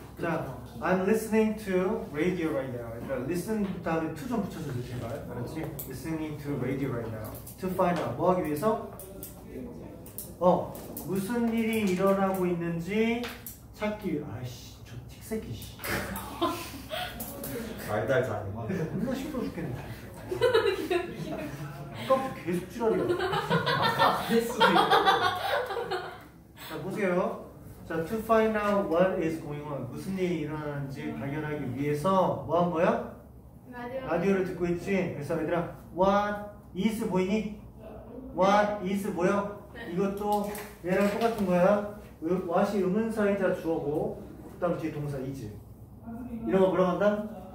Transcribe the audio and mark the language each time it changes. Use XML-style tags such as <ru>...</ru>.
<en>자, I'm listening to radio right now.</en> <ko>그러니까 listen 다음에 to 좀 붙여주세요, 제발. 알았지?</ko> <en>Listening to radio right now.</en> <ko>To find out. 뭐 하기 위해서? 어, 무슨 일이 일어나고 있는지 찾기 위해. 아이씨, 저 틱새끼 씨. 말달 잘해. 아, 혼자 시끄러 죽겠네. 아까부터 계속 지랄이야. 아까 안 했어. 자, 보세요.</ko> <en>자, to find out what is going on.</en> <ko>무슨 일이 일어나는지 발견하기 위해서 뭐 한 거야? 라디오를 듣고 있지? 그래서 얘들아,</ko> <en>what is</en> <ko>보이니?</ko> <en>What is</en> <ko>보여? 네. 이것도 얘랑 똑같은 거야. what이 음문사이자 주어고, 그 다음 뒤에 동사 is. 이런 거 뭐라고 한다?</ko>